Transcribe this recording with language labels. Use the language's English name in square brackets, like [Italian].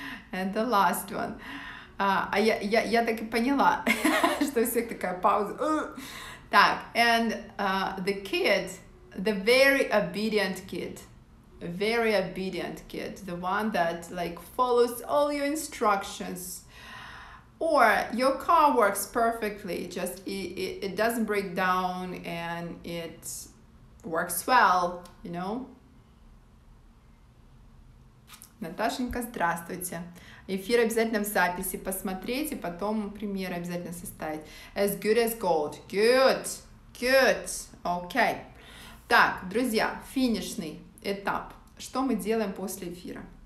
[Russian] Я так и поняла, что у всех такая пауза. Так, [English] and the kid, the very obedient kid, very obedient kid, the one that like follows all your instructions. Or your car works perfectly, just it doesn't break down and it works well, you know? [Russian] Наташенька, здравствуйте. Эфир обязательно в записи посмотреть, и потом примеры обязательно составить. [English] As good as gold. Good. Okay. [Russian] Так, друзья, финишный этап. Что мы делаем после эфира?